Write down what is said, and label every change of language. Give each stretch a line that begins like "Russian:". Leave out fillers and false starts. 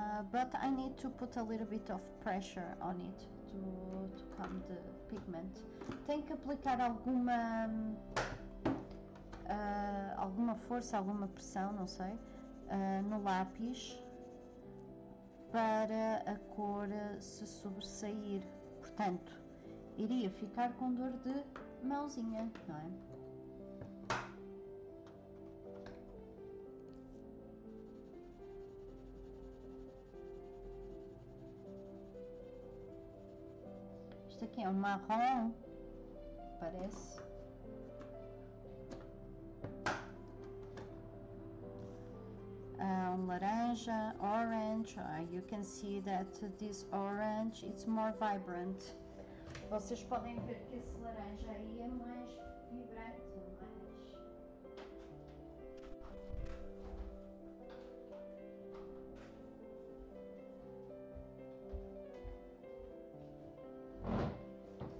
English: But I need to put a little bit of pressure on it to calm the pigment.
Portuguese: Tem que aplicar alguma força, alguma pressão, não sei, no lápis, para a cor se sobressair. Portanto, iria ficar com dor de mãozinha, não é? Isto aqui é um marrom, parece. Laranja, orange.
English: You can see that this orange is more vibrant.
Portuguese: Vocês podem ver que esse laranja aí é mais vibrante, mais.